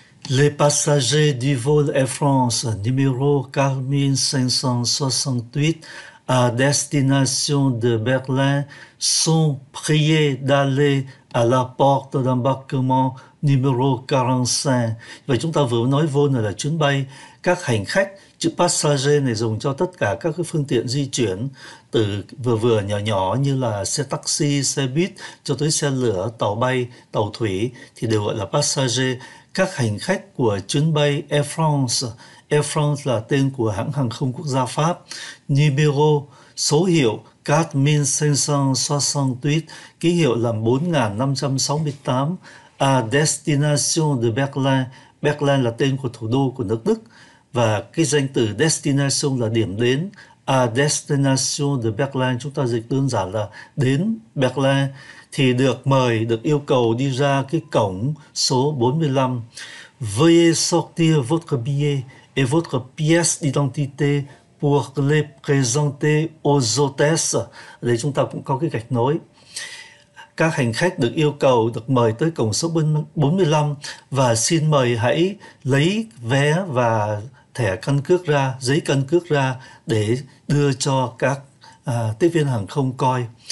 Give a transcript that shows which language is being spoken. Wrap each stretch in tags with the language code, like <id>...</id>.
<fr>Les passagers du vol Air France numéro 4568 à destination de Berlin sont priés d'aller à la porte d'embarquement numéro 45.</fr> <vi>Vậy chúng ta vừa nói vol là chuyến bay. Các hành khách, chữ passager này dùng cho tất cả các cái phương tiện di chuyển từ vừa vừa nhỏ nhỏ như là xe taxi, xe buýt cho tới xe lửa, tàu bay, tàu thủy thì đều gọi là passager. Các hành khách của chuyến bay Air France. Air France là tên của hãng hàng không quốc gia Pháp. Numéro, số hiệu 4568, ký hiệu là 4568,</vi> <fr>à destination de Berlin,</fr> <vi>Berlin là tên của thủ đô của nước Đức và cái danh từ destination là điểm đến. À,</vi> <fr>destination de Berlin</fr> <vi>chúng ta dịch đơn giản là đến Berlin thì được mời, được yêu cầu đi ra cái cổng số 45.</vi> <fr>Veuillez sortir votre billet et votre pièce d'identité pour les présenter aux hôtesses.</fr> <vi>Đây chúng ta cũng có cái gạch nối. Các hành khách được yêu cầu được mời tới cổng số 45 và xin mời hãy lấy vé và thẻ căn cước ra, giấy căn cước ra để đưa cho các tiếp viên hàng không coi.</vi>